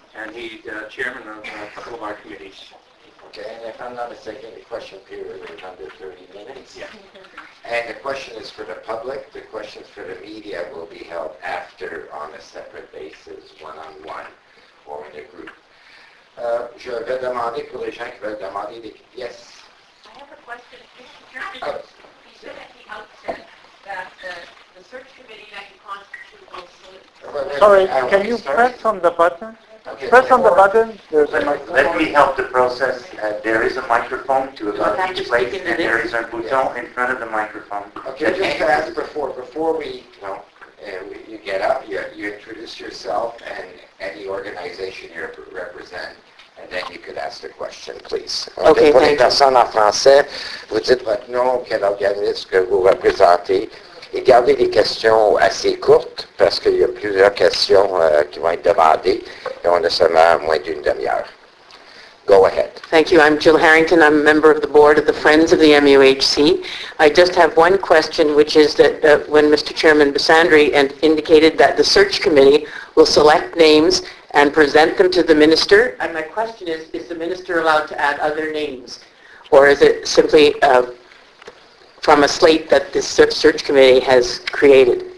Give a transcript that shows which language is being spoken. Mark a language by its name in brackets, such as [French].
[English] and he's chairman of a couple of our committees. Okay, and if I'm not mistaken, the question period is under 30 minutes. Yeah. And the question is for the public. The questions for the media will be held after on a separate basis, one-on-one, or in a group. [French] Je vais demander pour les gens qui veulent demander des... [English] Yes? I have a question. He said at the outset that the search committee that you constitute will... Sorry, can you press on the button? Okay, press on the button. There's a microphone. Let me help the process. There is a microphone to about each place, and there is a bouton in front of the microphone. Okay, just to ask before we, you get up, you introduce yourself and any organization you represent, and then you could ask the question, please. [French] Okay, pour les personnes en français, vous dites votre nom, quel organisme que vous représentez. Et gardez les questions assez courtes parce qu'il y a plusieurs questions qui vont être demandées et on a seulement moins d'une demi-heure. [English] Go ahead. Thank you. I'm Jill Harrington. I'm a member of the board of the Friends of the MUHC. I just have one question, which is that when Mr. Chairman Bassandry indicated that the search committee will select names and present them to the minister, and my question is the minister allowed to add other names, or is it simply from a slate that the search committee has created?